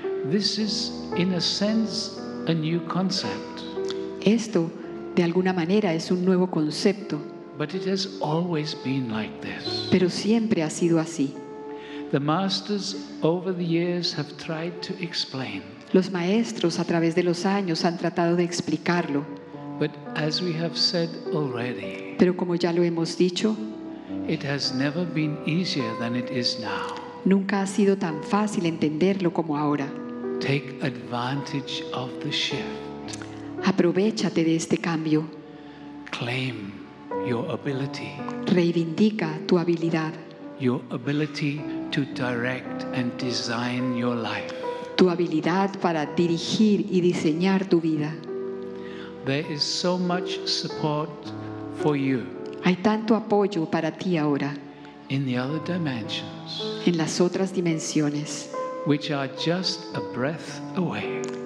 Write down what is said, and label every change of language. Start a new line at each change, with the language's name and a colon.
English: This is, in a sense, a new concept.
Spanish: esto de alguna manera es un nuevo concepto.
English: But it has always been like this.
Spanish: Pero siempre ha sido así.
English: The masters over the years have tried to explain.
Spanish: Los maestros a través de los años han tratado de explicarlo.
English: But as we have said already,
Spanish: pero como ya lo hemos dicho,
English: it has never been easier than it is now.
Spanish: Nunca ha sido tan fácil entenderlo como ahora.
English: Take advantage of the shift.
Spanish: Aprovéchate de este cambio.
English: Claim your ability.
Spanish: Reivindica tu habilidad.
English: Your ability to direct and design your life.
Spanish: Tu habilidad para dirigir y diseñar tu vida.
English: There is so much support for you.
Spanish: Hay tanto apoyo para ti ahora.
English: In the other dimensions.
Spanish: En las otras dimensiones.
English: Which are just a breath away.